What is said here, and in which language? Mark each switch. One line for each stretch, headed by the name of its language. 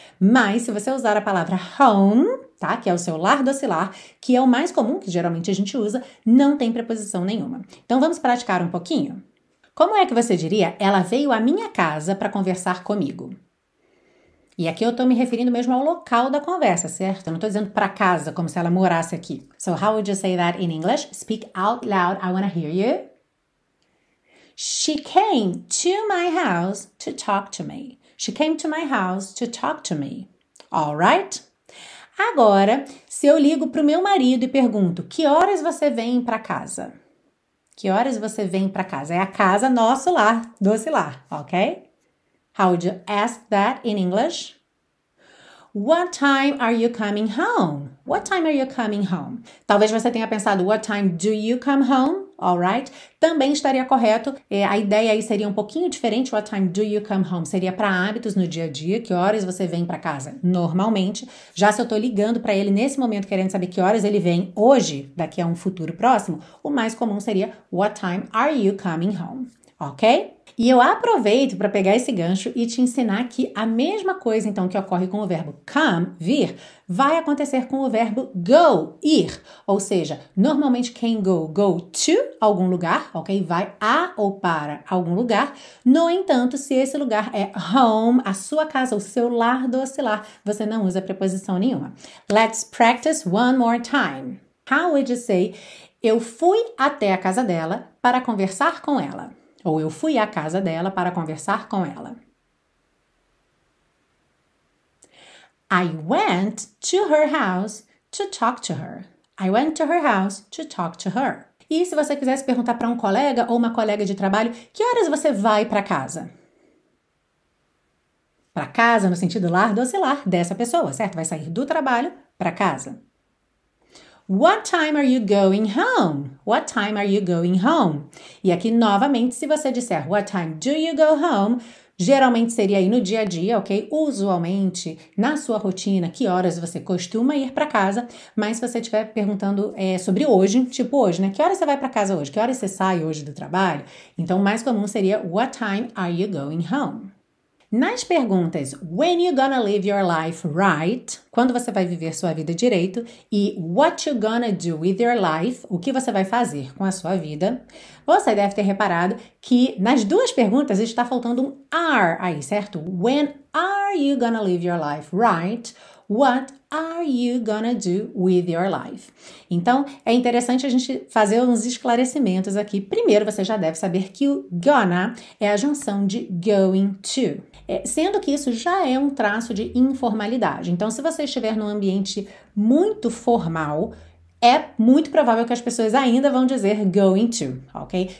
Portuguese: Mas se você usar a palavra home, tá? Que é o seu lar docilar, que é o mais comum, que geralmente a gente usa, não tem preposição nenhuma. Então vamos praticar um pouquinho? Como é que você diria, ela veio à minha casa para conversar comigo? E aqui eu estou me referindo mesmo ao local da conversa, certo? Eu não estou dizendo para casa, como se ela morasse aqui.
English: So, how would you say that in English? Speak out loud, I want to hear you. She came to my house to talk to me. She came to my house to talk to me. All right?
Portuguese: Agora, se eu ligo para o meu marido e pergunto, que horas você vem para casa? Que horas você vem para casa? É a casa, nosso lar, doce lar, ok?
English: How would you ask that in English? What time are you coming home? What time are you coming home?
Portuguese: Talvez você tenha pensado,
English: what time do you come home? All right.
Portuguese: Também estaria correto. A ideia aí seria um pouquinho diferente.
English: What time do you come home?
Portuguese: Seria para hábitos no dia a dia. Que horas você vem para casa? Normalmente. Já se eu estou ligando para ele nesse momento, querendo saber que horas ele vem hoje, daqui a um futuro próximo, o mais comum seria,
English: what time are you coming home?
Portuguese: Ok? E eu aproveito para pegar esse gancho e te ensinar que a mesma coisa, então, que ocorre com o verbo come, vir, vai acontecer com o verbo go, ir. Ou seja, normalmente quem go, go to algum lugar, ok? Vai a ou para algum lugar. No entanto, se esse lugar é home, a sua casa, o seu lar doce lar, você não usa preposição nenhuma.
English: Let's practice one more time. How would you say,
Portuguese: eu fui até a casa dela para conversar com ela? Ou eu fui à casa dela para conversar com ela.
English: I went to her house to talk to her. I went to her house to talk to her.
Portuguese: E se você quisesse perguntar para um colega ou uma colega de trabalho, que horas você vai para casa? Para casa, no sentido lar, docilar, dessa pessoa, certo? Vai sair do trabalho para casa.
English: What time are you going home? What time are you going home?
Portuguese: E aqui, novamente, se você disser
English: what time do you go home,
Portuguese: geralmente seria aí no dia a dia, ok? Usualmente, na sua rotina, que horas você costuma ir para casa. Mas se você estiver perguntando sobre hoje, tipo hoje, né? Que horas você vai para casa hoje? Que horas você sai hoje do trabalho? Então, o mais comum seria
English: what time are you going home?
Portuguese: Nas perguntas
English: when you gonna live your life right,
Portuguese: quando você vai viver sua vida direito, e
English: what you gonna do with your life,
Portuguese: o que você vai fazer com a sua vida, você deve ter reparado que nas duas perguntas está faltando um are aí, certo?
English: When are you gonna live your life right? What are you gonna do with your life?
Portuguese: Então, é interessante a gente fazer uns esclarecimentos aqui. Primeiro, você já deve saber que o gonna é a junção de going to. Sendo que isso já é um traço de informalidade. Então, se você estiver num ambiente muito formal, é muito provável que as pessoas ainda vão dizer going to, ok?